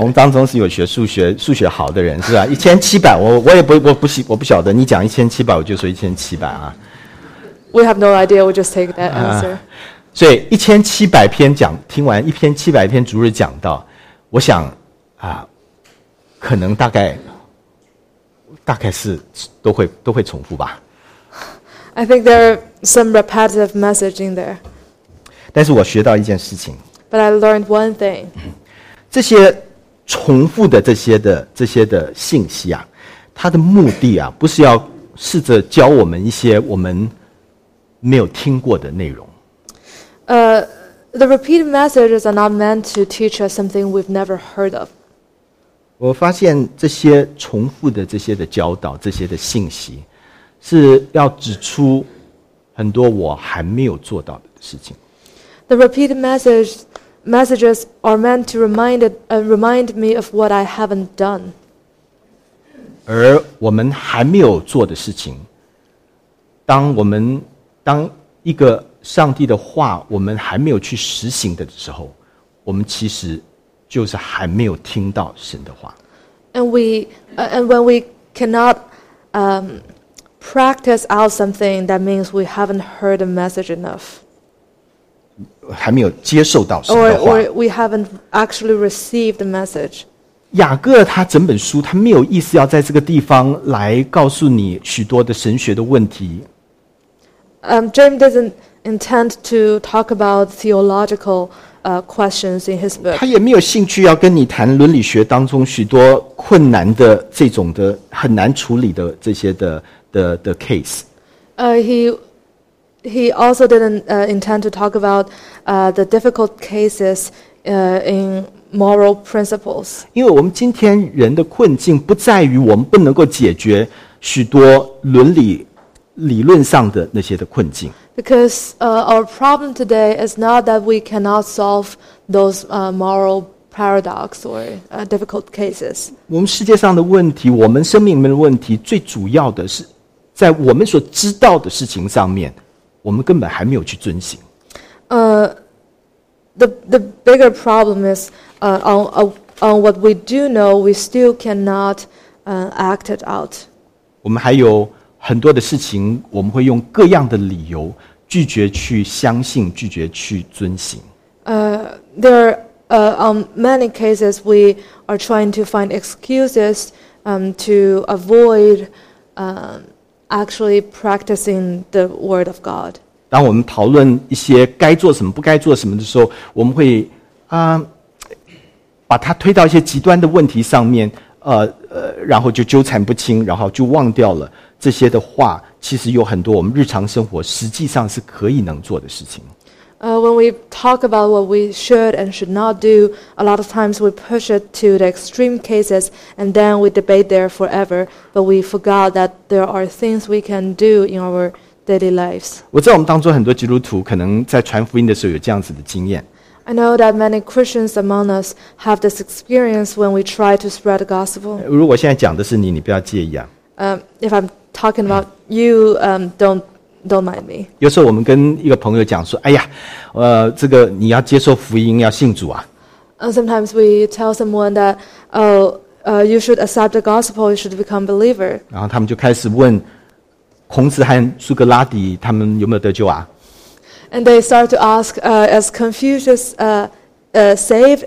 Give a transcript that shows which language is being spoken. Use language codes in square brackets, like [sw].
[zh] 我们当中是有学数学好的人是吧？1700，我不晓得，你讲1700，我就说1700啊。 [en] We have no idea. We'll just take that answer. [zh] 所以1700篇讲听完1700篇主日讲道，我想啊。可能大概是都会重复吧。 [en] I think there are some repetitive message in there. [zh] 但是我学到一件事情。 [en] But I learned one thing. [zh] 这些重复的这些的信息啊，它的目的啊，不是要试着教我们一些我们没有听过的内容。 [en] The repeated messages are not meant to teach us something we've never heard of. [zh] 我发现这些重复的这些的教导这些的信息是要指出很多我还没有做到的事情。 [en] The repeated messages are meant to remind me of what I haven't done. [zh] 而我们还没有做的事情，当一个上帝的话我们还没有去实行的时候，我们其实就是还没有听到神的话。 [en] And when we cannot practice out something, that means we haven't heard a message enough. [zh] 还没有接受到神的话。 [en] Or we haven't actually received the message. [zh] 雅各他整本书他没有意思要在这个地方来告诉你许多的神学的问题。 [en] James doesn't intend to talk about theological questions in his book. [zh] 他也没有兴趣要跟你谈伦理学当中许多困难的这种的很难处理的这些的 case. [en] He also didn't intend to talk about the difficult cases in moral principles. [zh] 因为我们今天人的困境不在于我们不能够解决许多伦理理论上的那些的困境。 [en] Because our problem today is not that we cannot solve those moral paradox or difficult cases. [zh] 我们世界上的问题，我们生命里面的问题，最主要的是在我们所知道的事情上面，我们根本还没有去遵行。 [en] The bigger problem is on what we do know, we still cannot act it out. [zh] 我们还有很多的事情，我们会用各样的理由拒绝去相信，拒绝去遵行。 [en] There are many cases we are trying to find excuses to avoid actually practicing the word of God. [zh] 当我们讨论一些该做什么、不该做什么的时候，我们会把它推到一些极端的问题上面，然后就纠缠不清，然后就忘掉了。这些的话其实有很多我们日常生活实际上是可以能做的事情。 [en] When we talk about what we should and should not do, a lot of times we push it to the extreme cases and then we debate there forever, but we forgot that there are things we can do in our daily lives. [zh] 我在我们当中很多基督徒可能在传福音的时候有这样子的经验。 [en] I know that many Christians among us have this experience when we try to spread the gospel. [zh] 如果现在讲的是你，你不要介意啊。 [en] If I'm talking about you, don't mind me. [zh] 有时候我们跟一个朋友讲说，哎呀，这个你要接受福音，要信主啊。 [en] Sometimes we tell someone that, you should accept the gospel, you should become a believer. [zh] 然后他们就开始问孔子和苏格拉底他们有没有得救啊。 [en] And they start to ask, is Confucius saved?